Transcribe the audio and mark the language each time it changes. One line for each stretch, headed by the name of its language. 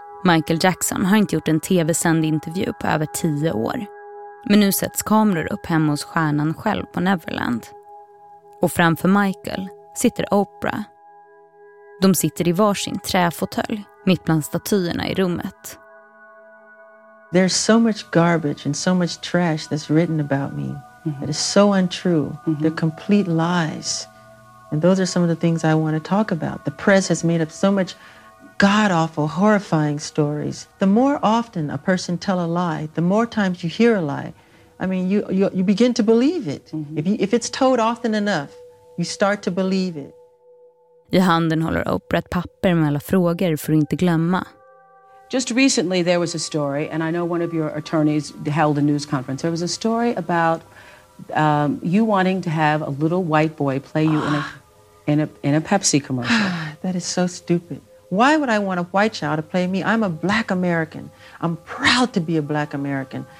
Swedish: Michael Jackson har inte gjort en tv-sänd intervju på över 10 år. Men nu sätts kameror upp hemma hos stjärnan själv på Neverland. Och framför Michael sitter Oprah. De sitter i varsin träfåtölj mitt bland statyerna i rummet.
English: There's so much garbage and so much trash that's written about me. It is so untrue. They're complete lies. And those are some of the things I want to talk about. The press has made up so much god-awful, horrifying stories. The more often a person tell a lie, the more times you hear a lie, I mean, you begin to believe it. Mm-hmm. If it's told often enough, you start to believe it.
Swedish: I handen håller Oprah ett papper med alla frågor för att inte glömma.
English: Just recently there was a story, and I know one of your attorneys held a news conference. There was a story about you wanting to have a little white boy play you in a Pepsi commercial. That is so stupid. Why would I want a white child to play me? I'm a black American. I'm proud to be a black American.